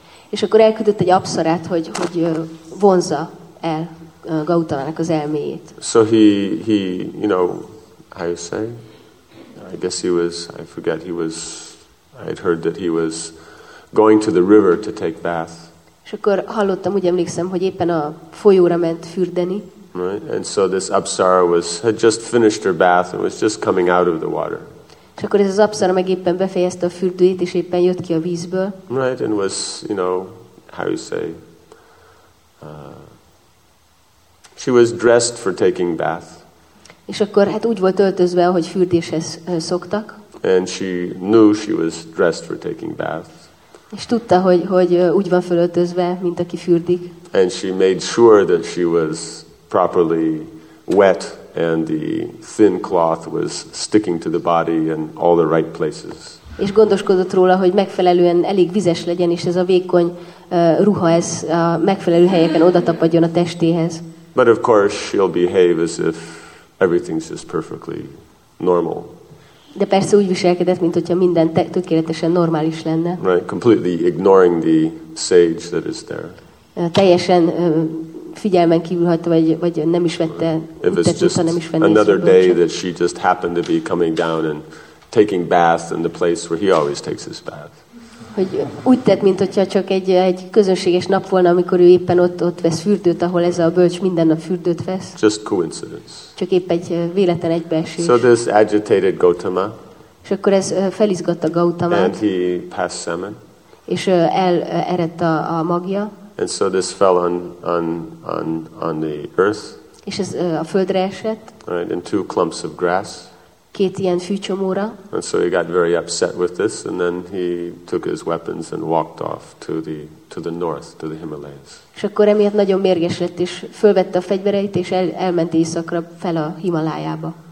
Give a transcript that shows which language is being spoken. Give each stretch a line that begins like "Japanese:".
Hungarian: És akkor elküldött egy apsarát, hogy vonzza el Gautamának az elméjét.
English: So he you know, how you say? I guess he was, I forget, he was, I had heard that he was going to the river to take bath.
Hungarian: És akkor hallottam, úgy emlékszem, hogy éppen a folyóra ment fürdeni.
English: Right? And so this apsara had just finished her bath and was just coming out of the water.
Hungarian: És akkor ez az apsara meg éppen befejezte a fürdőjét, és éppen jött ki a vízből.
English: Right, and was, you know, how you say, she was dressed for taking bath.
Hungarian: És akkor hát úgy volt öltözve, hogy fürdéshez szoktak.
English: And she knew she was dressed for taking bath.
Hungarian: És tudta, hogy úgy van fölöltözve, mint aki fürdik.
English: And she made sure that she was properly wet and the thin cloth was sticking to the body in all the right places.
Hungarian: És gondoskodott róla, hogy megfelelően elég vizes legyen, és ez a vékony ruha ez a megfelelő helyeken odatapadjon a testéhez.
English: But of course she'll behave as if everything's just perfectly normal.
Hungarian: De persze úgy viselkedett, mint hogyha minden tökéletesen normális lenne.
English: Right, completely ignoring the sage that is there.
Hungarian: Teljesen figyelmen kívül hagyta, vagy nem is vette, nem is vette.
English: Another day that she just happened to be coming down and taking bath in the place where he always takes his bath.
Hungarian: Hogy úgy tett, mint hogyha csak egy közönséges nap volna, amikor ő éppen ott vesz fürdőt, ahol ez a bölcs minden nap fürdőt vesz.
English: Just coincidence.
Hungarian: Csak épp egy véletlen egybeesés.
English: So this agitated Gautama.
Hungarian: És akkor ez felizgatta Gautamát.
English: And he passed semen.
Hungarian: És elerett a magja.
English: And so this fell on the earth.
Hungarian: És ez a földre esett.
English: Right, in two clumps of grass.
Hungarian: két ilyen fűcsomóra.
English: And so he got very upset with this, and then he took his weapons and walked off to the north, to the Himalayas.
Hungarian: És akkor emiatt nagyon mérges lett, és fölvette a fegyvereit, és elment éjszakra fel a Himalájába.